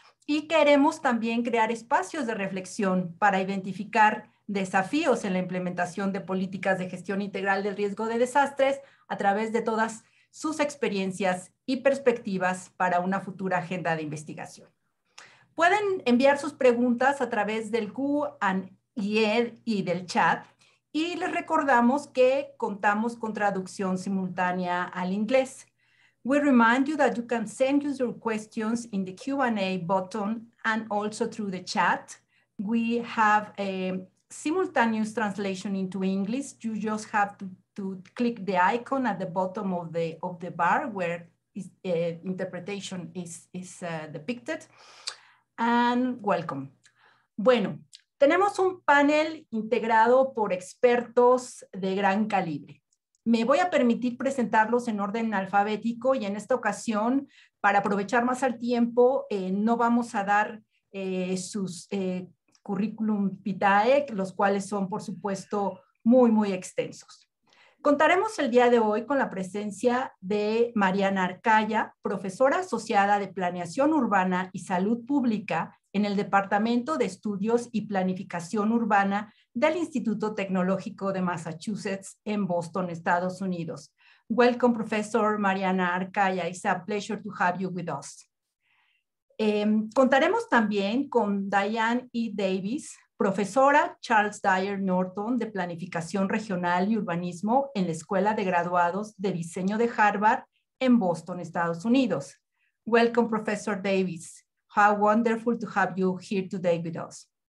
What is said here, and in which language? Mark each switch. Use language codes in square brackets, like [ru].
[es] Y queremos también crear espacios de reflexión para identificar desafíos en la implementación de políticas de gestión integral del riesgo de desastres a través de todas sus experiencias y perspectivas para una futura agenda de investigación. Pueden enviar sus preguntas a través del Q&A y del chat, y les recordamos que contamos con traducción simultánea al inglés. [en] We remind you that you can send your questions in the Q&A button and also through the chat. We have a simultaneous translation into English. You just have to click the icon at the bottom of the bar where interpretation is depicted. And welcome. [es] Bueno, tenemos un panel integrado por expertos de gran calibre. Me voy a permitir presentarlos en orden alfabético y en esta ocasión, para aprovechar más el tiempo, no vamos a dar sus currículum vitae, los cuales son, por supuesto, muy, muy extensos. Contaremos el día de hoy con la presencia de Mariana Arcaya, profesora asociada de Planeación Urbana y Salud Pública en el Departamento de Estudios y Planificación Urbana del Instituto Tecnológico de Massachusetts en Boston, Estados Unidos. [en] Welcome, Professor Mariana Arcaya. It's a pleasure to have you with us. [es] Contaremos también con Diane E. Davis, profesora Charles Dyer Norton de Planificación Regional y Urbanismo en la Escuela de Graduados de Diseño de Harvard en Boston, Estados Unidos. [en] Welcome, Professor Davis. How wonderful to have you here today with us.